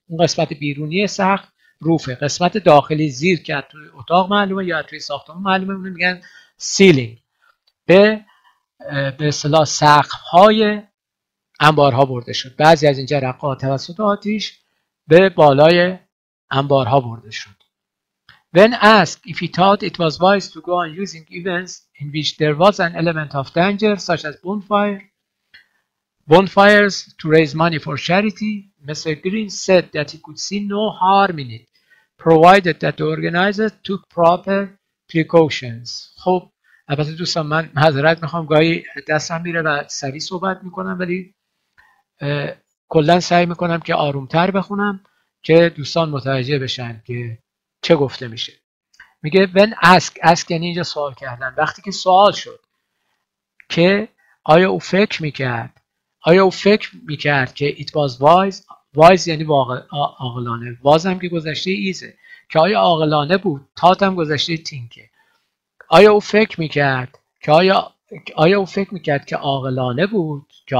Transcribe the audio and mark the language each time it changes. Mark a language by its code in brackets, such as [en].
[fa] اون قسمت بیرونی سقف. Roofه. قسمت داخلی زیر که توی اتاق معلومه یا توی ساختمان معلومه. اون میگن ceiling. به اصطلاح سقف های انبارها برده شد. بعضی از این جرقه ها توسط آتیش به بالای انبارها برده شد. [en] When asked if he thought it was wise to go on using events in which there was an element of danger such as bonfires to raise money for charity, Mr. Green said that he could see no harm in it provided that the organizers took proper precautions. [fa] خب البته دوستان من معذرت میخوام، گاهی دستم میره و سریع صحبت میکنم، ولی کلن سعی میکنم که آرومتر بخونم که دوستان متوجه بشن که چه گفته میشه. میگه [en] when ask [fa] یعنی اینجا سوال کردن. وقتی که سوال شد که آیا او فکر میکرد که it was wise یعنی عاقلانه، wise هم که گذشته ایزه، که آیا عاقلانه بود، thought هم گذشته تینکه، آیا او فکر میکرد که عاقلانه بود